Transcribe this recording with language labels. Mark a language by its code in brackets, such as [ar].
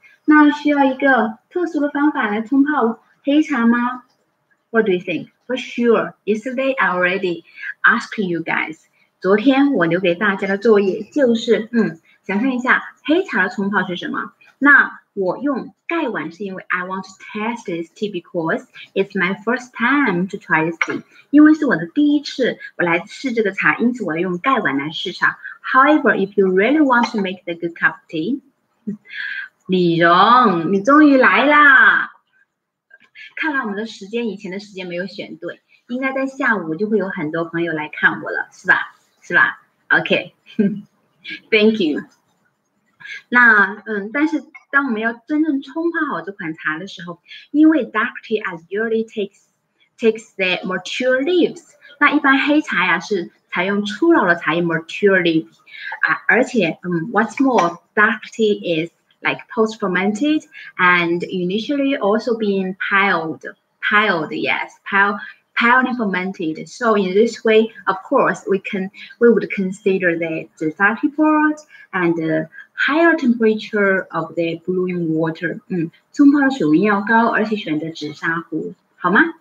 [zh] 那需要一个特殊的方法来冲泡黑茶吗？ [en] What do you think? For sure, yesterday I already asked you guys. [zh] 昨天我留给大家的作业就是，想象一下黑茶的冲泡是什么。那我用盖碗是因为 [en] I want to test this tea because it's my first time to try this tea. [zh] 因为是我的第一次我来试这个茶，因此我要用盖碗来试茶。 [en] However, if you really want to make the good cup of tea, [zh] 李荣，你终于来啦！看来我们的时间以前的时间没有选对，应该在下午就会有很多朋友来看我了，是吧？是吧 ？ [en] OK，Thank you。 [zh] 那但是当我们要真正冲泡好这款茶的时候，因为 [en] dark tea as usually takes the mature leaves， [zh] 那一般黑茶呀是采用初老的茶叶 [en] mature leaves [zh] 啊，而且 [en] what's more， dark tea is like post-fermented and initially also being piled and fermented. So in this way, of course, we would consider the dissolving part and the higher temperature of the brewing water. [zh] 冲泡的水温要高，而且选择紫砂壶，好吗？